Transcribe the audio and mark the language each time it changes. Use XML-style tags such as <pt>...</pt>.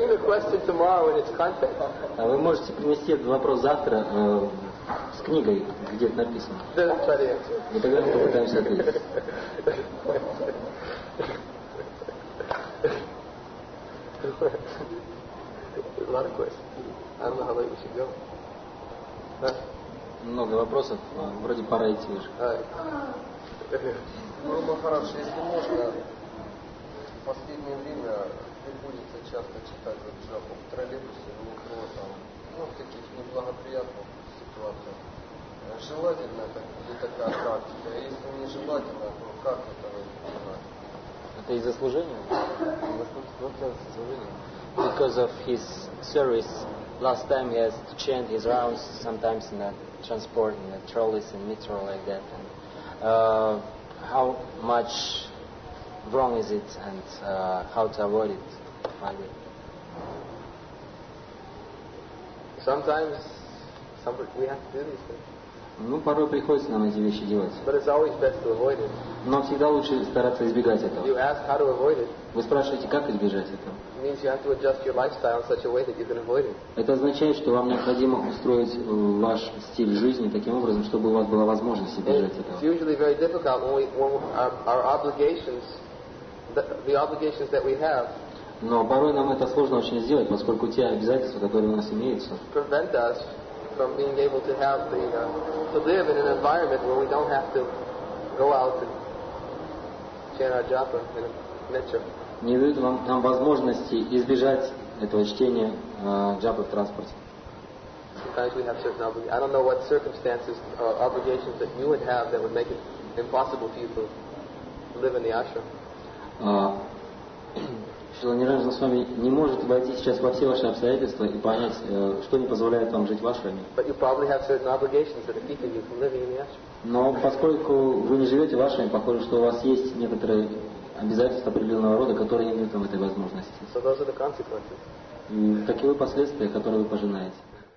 <ru>А вы можете принести этот вопрос завтра с книгой, где это написано. И тогда мы попытаемся ответить.</ru> <en>A lot of questions. I don't know how late we should go. Huh?</en> <ru>Много вопросов. Вроде пора идти уже. Гуру Махарадж, если можно, в последнее время приходится часто читать вот джапу в троллейбусе, в метро, там, ну, в таких неблагоприятных ситуациях. Желательно это или такая практика? Если не желательно, то как это вы понимаете? Это из-за служения? Вот это служение.</ru> <en>Because of his service, last time he has to chant his rounds sometimes in the transport, in the trolleys and metro like that. And how much wrong is it, and how to avoid it? Sometimes we have to do these things.</en> <ru>Ну, порой приходится нам эти вещи делать.</ru> <en>But it's always best to avoid it.</en> <ru>Но всегда лучше стараться избегать этого.</ru> <en>You ask how to avoid it.</en> <ru>Вы спрашиваете, как избежать этого?</ru> <en>Means you have to adjust your lifestyle in such a way that you can avoid it.</en> <ru>Это означает, что вам необходимо устроить ваш стиль жизни таким образом, чтобы у вас была возможность избежать этого.</ru> <en>It's usually very difficult when our obligations, the obligations that we have.</en> <ru>Но порой нам это сложно очень сделать, поскольку те обязательства, которые у нас имеются.</ru> <en>Prevent us from being able to have the to live in an environment where we don't have to go out and chant our japa in a metro.</en> <ru>Не дают вам там возможности избежать этого чтения джапы в транспорте.</ru> <en>Sometimes we have certain obligations. I don't know what circumstances or obligations that you would have that would make it impossible for you to live in the ashram.</en> <ru>Шрила Ниранджана с вами не может войти сейчас во все ваши обстоятельства и понять, что не позволяет вам жить в ашраме.</ru> <en>But you probably have certain obligations that are keeping you from living in the ashram.</en> <ru>Но поскольку вы не живете в ашраме, похоже, что у вас есть некоторые обязательства определенного рода, которые не дают вам этой возможности.</ru> <en>So those are the consequences.</en> <ru>Такие вы последствия, которые вы пожинаете.</ru>